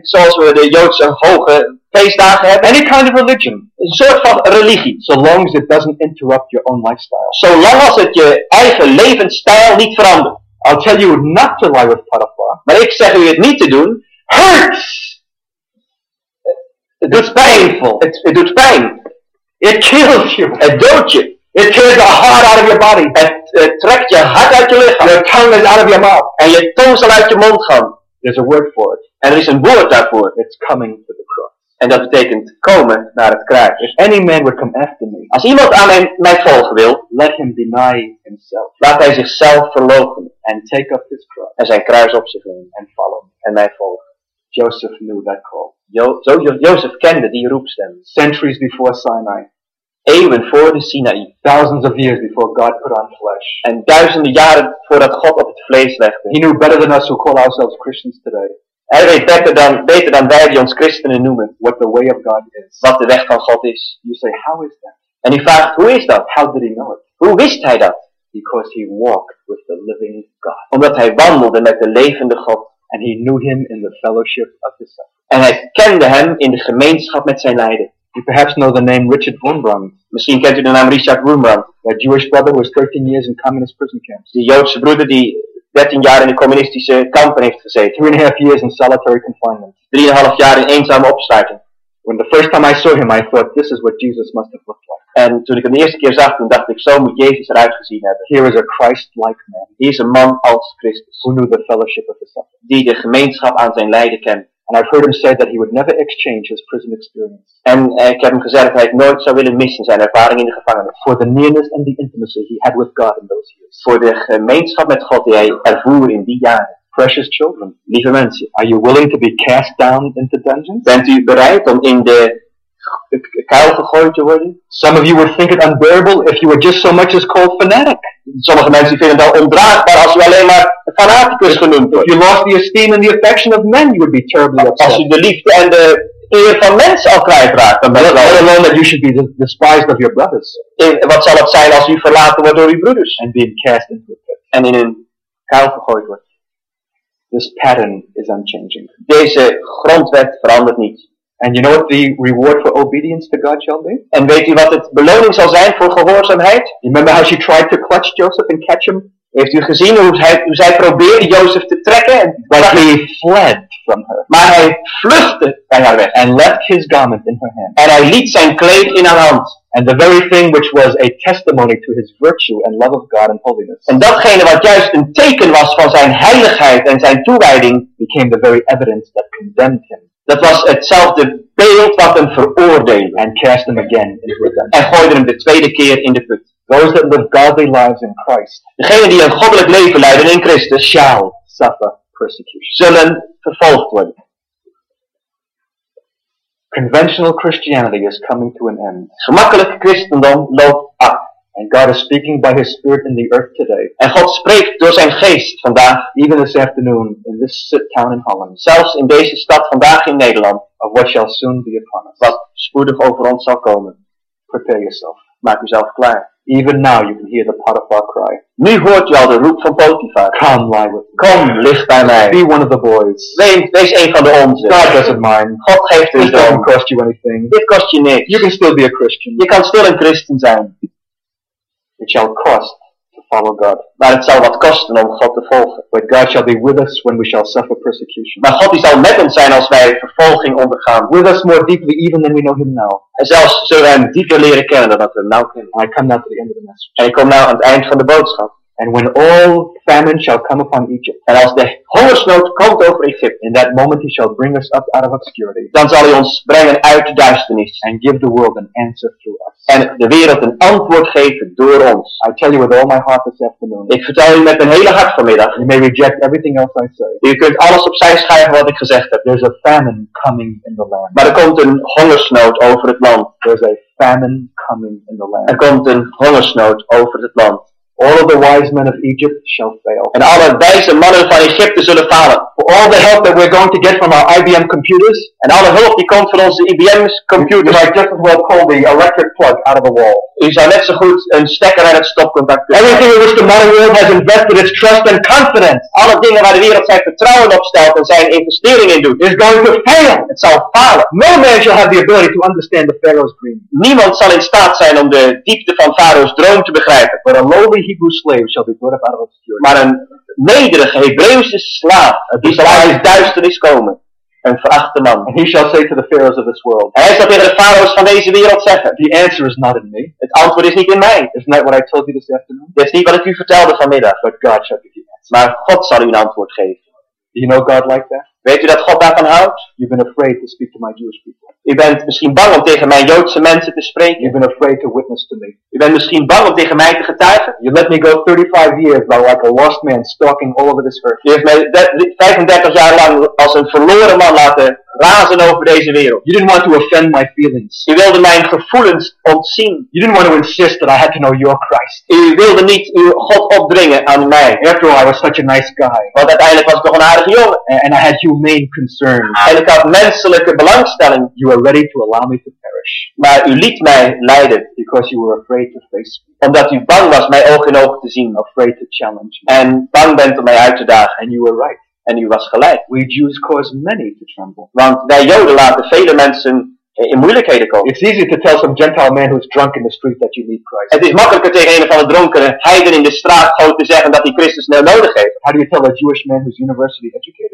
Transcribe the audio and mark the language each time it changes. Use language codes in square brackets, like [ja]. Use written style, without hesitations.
[nl] Zoals we de Joodse hoge feestdagen hebben. [en] Any kind of religion. [nl] Een soort van religie. [en] So long as it doesn't interrupt your own lifestyle. [nl] Zolang als het je eigen levensstijl niet verandert. [en] I'll tell you not to lie with Potiphar. [nl] Maar ik zeg u het niet te doen. [en] Hurts! It [nl] doet [en] painful. It [nl] doet pijn. [en] It kills you. [nl] Het doodt je. [en] It tears the heart out of your body. [nl] Het trekt je hart uit je lichaam. [en] Your tongue is out of your mouth. [nl] En je tong zal uit je mond gaan. [en] There's a word for it. [nl] En er is een woord daarvoor. [en] It's coming to the cross. [nl] En dat betekent komen naar het kruis. [en] If any man would come after me. [nl] Als iemand aan mij volgen wil. [en] Let him deny himself. [nl] Laat hij zichzelf verloochenen. [en] And take up his cross. [nl] En zijn kruis op zich nemen. [en] And follow me. [nl] En mij volgen. [en] Joseph knew that call. [nl] Joseph kende die roepstem. [en] Centuries before Sinai. [nl] Eeuwen voor de Sinai. [en] Thousands of years before God put on flesh. [nl] En duizenden jaren voordat God op het vlees legde. [en] He knew better than us who call ourselves Christians today. [nl] Hij weet beter dan wij die ons christenen noemen. [en] What the way of God is. [nl] Wat de weg van God is. [en] You say, how is that? [nl] En u vraagt, hoe is dat? [en] How did he know it? [nl] Hoe wist hij dat? [en] Because he walked with the living God. [nl] Omdat hij wandelde met de levende God. [en] And he knew him in the fellowship of his suffering. [nl] En hij kende hem in de gemeenschap met zijn lijden. [en] You perhaps know the name Richard Wurmbrand. [nl] Misschien kent u de naam Richard Wurmbrand. [en] A Jewish brother who was 13 years in communist prison camps. [nl] Die Joodse broeder die 13 jaar in de communistische kampen heeft gezeten. [en] 3.5 years in solitary confinement. [nl] 3.5 jaar in eenzame opsluiting. [en] When the first time I saw him, I thought, this is what Jesus must have looked like. [nl] En toen ik hem de eerste keer zag, toen dacht ik, zo moet Jezus eruit gezien hebben. [en] Here is a Christ-like man. [nl] He is een man als Christus. [en] Who knew the fellowship of the suffering. [nl] Die de gemeenschap aan zijn lijden kent. [en] And I've heard him say that he would never exchange his prison experience. [nl] En ik heb hem gezegd dat hij het nooit zou willen missen zijn ervaring in de gevangenis. [en] For the nearness and the intimacy he had with God in those years. [nl] Voor de gemeenschap met God die hij ervoer in die jaren. [en] Precious children, [nl] lieve mensen, [en] are you willing to be cast down into dungeons? [nl] Bent u bereid om in de kuil gegooid te worden? [en] Some of you would think it unbearable if you were just so much as called fanatic. [nl] Sommige mensen vinden dat ondraagbaar als u alleen maar fanaticus genoemd wordt. [en] If you lost the esteem and the affection of men, you would be terribly upset. [nl] Als u de liefde en de eer van mensen al kwijtraakt, dan ben je wel. [en] Let alone that you should be despised of your brothers. [nl] Wat zal het zijn als u verlaten wordt door uw broeders? [en] And being cast into a pit. [nl] En in een kuil gegooid wordt. [en] This pattern is unchanging. [nl] Deze grondwet verandert niet. [en] And you know what the reward for obedience to God shall be? [nl] En weet u wat het beloning zal zijn voor gehoorzaamheid? [en] You remember how she tried to clutch Joseph and catch him? [nl] Heeft u gezien hoe zij probeerde Joseph te trekken? [en] But he fled from her. [nl] Maar hij vluchtte bij haar weg. [en] And left his garment in her hand. [nl] En hij liet zijn kleed in haar hand. [en] And the very thing which was a testimony to his virtue and love of God and holiness. [nl] En datgene wat juist een teken was van zijn heiligheid en zijn toewijding, [en] became the very evidence that condemned him. [nl] Dat was hetzelfde beeld wat hem veroordeelde. [en] And cast him again into redemption. [nl] En gooide hem de tweede keer in de put. [en] Those that live godly lives in Christ. [nl] Degenen die een goddelijk leven leiden in Christus, [en] shall suffer persecution. [nl] Zullen vervolgd worden. [en] Conventional Christianity is coming to an end. [nl] Gemakkelijk christendom loopt af. [en] And God is speaking by His Spirit in the earth today. [nl] En God spreekt door zijn geest vandaag, [en] even this afternoon, in this town in Holland. [nl] Zelfs in deze stad vandaag in Nederland. [en] Of what shall soon be upon us. [nl] Wat spoedig over ons zal komen. [en] Prepare yourself. [nl] Maak uzelf klaar. [en] Even now you can hear the Potiphar cry. [nl] Nu hoort je al de roep van Potiphar. [en] Come lie with me. [nl] Kom, ligt bij mij. [en] Be one of the boys. [nl] Wees een van de onze. [en] God doesn't mind. [nl] God geeft u dan. [en] It don't cost you anything. [nl] Dit kost je niks. [en] You can still be a Christian. [nl] Je kan still een Christen zijn. [en] It shall cost to follow God. [nl] Maar het zal wat kosten om God te volgen. [en] But God shall be with us when we shall suffer persecution. [nl] Maar God die zal met ons zijn als wij vervolging ondergaan. [en] With us more deeply even than we know Him now. [nl] En zelfs zullen wij hem dieper leren kennen dan dat we hem nou kennen. [en] I come now to the end of the message. [nl] En ik kom nu aan het eind van de boodschap. [en] And when all famine shall come upon Egypt. [nl] En als de hongersnood komt over Egypte. [en] In that moment He shall bring us up out of obscurity. [nl] Dan zal Hij ons brengen uit de duisternis. [en] And give the world an answer through us. [nl] En de wereld een antwoord geven door ons. [en] I tell you with all my heart this afternoon. [nl] Ik vertel u met mijn hele hart vanmiddag. [en] You may reject everything else I say. [nl] U kunt alles opzij schrijven wat ik gezegd heb. [en] There's a famine coming in the land. [nl] Maar er komt een hongersnood over het land. [en] There's a famine coming in the land. [nl] Er komt een hongersnood over het land. [en] All of the wise men of Egypt shall fail. [nl] En alle wijze mannen van Egypte zullen falen. [en] For all the help that we're going to get from our IBM computers. [nl] En alle hulp die komt van onze IBM computers. [en] You might just as well pull the electric plug out of the wall. [nl] U zou net zo goed een stekker uit het stopcontact doen. [en] Everything in which the modern world has invested its trust and confidence. [nl] Alle dingen waar de wereld zijn vertrouwen op stelt en zijn investering in doet. [en] Is going to fail. [nl] Het zal falen. [en] No man shall have the ability to understand the Pharaoh's dream. [nl] Niemand zal in staat zijn om de diepte van Farao's droom te begrijpen. [en] But a lowly Hebrew slave shall be brought up out of obscurity. [nl] Maar een nederige Hebreeuwse slaaf die zal uit duisternis komen. En verachte man. [en] And he shall say to the pharaohs of this world. [nl] Hij zal tegen de farao's van deze wereld zeggen. [en] The answer is not in me. [nl] Het antwoord is niet in mij. [en] Isn't that what I told you this afternoon? [nl] Dat is niet wat ik u vertelde vanmiddag. [en] But God shall give you an answer. [nl] Maar God zal u een antwoord geven. [en] Do you know God like that? [nl] Weet u dat God daarvan houdt? [en] You've been afraid to speak to my Jewish people. [nl] U bent misschien bang om tegen mijn Joodse mensen te spreken. [en] You've been afraid to witness to me. [nl] U bent misschien bang om tegen mij te getuigen. [en] You let me go 35 years by like a lost man stalking all over this earth. [nl] U heeft mij 35 jaar lang als een verloren man laten razen over deze wereld. [en] You didn't want to offend my feelings. [nl] U wilde mijn gevoelens ontzien. [en] You didn't want to insist that I had to know your Christ. [nl] U wilde niet uw God opdringen aan mij. [en] After all, I was such a nice guy. [nl] Want uiteindelijk was ik toch een aardige jongen. [en] And I had humane concern. [nl] En ik had menselijke belangstelling. [en] You were ready to allow me to perish. [nl] Maar u liet mij lijden. [en] Because you were afraid to face me. [nl] Omdat u bang was mij oog in oog te zien. [en] Afraid to challenge me. [nl] En bang bent om mij uit te dagen. [en] And you were right. [nl] En u was gelijk. [en] We Jews cause many to tremble. [nl] Want wij Joden laten vele mensen in moeilijkheden komen. [en] It's easy to tell some Gentile man who's drunk in the street that you need Christ. [nl] Het is makkelijker tegen een van de dronkenen heiden in de straat gewoon te zeggen dat hij Christus nou nodig heeft. [en] How do you tell a Jewish man who's university educated?